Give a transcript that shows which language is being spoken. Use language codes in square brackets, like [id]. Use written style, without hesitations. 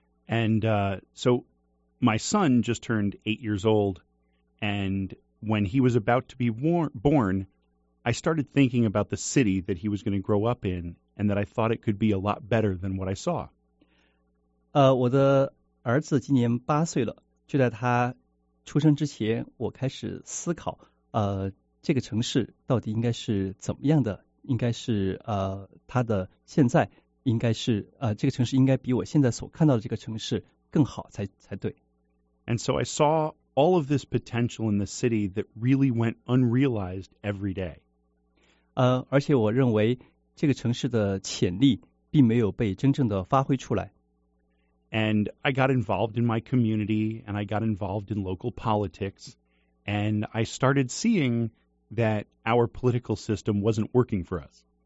[en] And so my son just turned 8 years old, and when he was about to be born, I started thinking about the city that he was going to grow up in, and that I thought it could be a lot better than what I saw. [zh] 我的儿子今年8岁了，就在他出生之前，我开始思考，这个城市到底应该是怎么样的？应该是它的现在应该是这个城市应该比我现在所看到的这个城市更好才对。 [en] And so I saw all of this potential in the city that really went unrealized every day. [zh] 而且我认为这个城市的潜力并没有被真正的发挥出来。 [en] And I got involved in my community, and I got involved in local politics, and I started seeing that our political system wasn't working for us.